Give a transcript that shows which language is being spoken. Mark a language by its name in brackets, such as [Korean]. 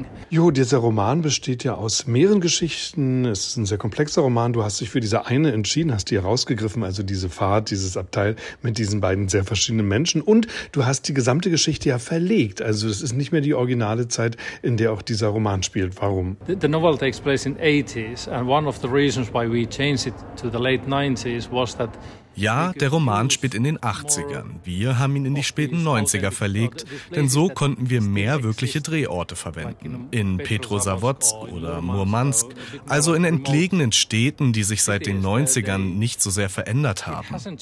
[German] Jo, dieser Roman besteht ja aus mehreren Geschichten. Es ist ein sehr komplexer Roman. Du hast dich für diese eine entschieden, hast die herausgegriffen, also diese Fahrt, dieses Abteil mit diesen beiden sehr verschiedenen Menschen. Und du hast die gesamte Geschichte ja verlegt. Also es ist nicht mehr die originale Zeit, in der auch dieser Roman spielt. Warum? [English] The novel takes place in the 80s and one of the reasons why we changed it to the late 90s was that. [German] Ja, der Roman spielt in den 80ern. Wir haben ihn in die späten 90er verlegt, denn so konnten wir mehr wirkliche Drehorte verwenden. In Petrozavodsk oder Murmansk, also in entlegenen Städten, die sich seit den 90ern nicht so sehr verändert haben.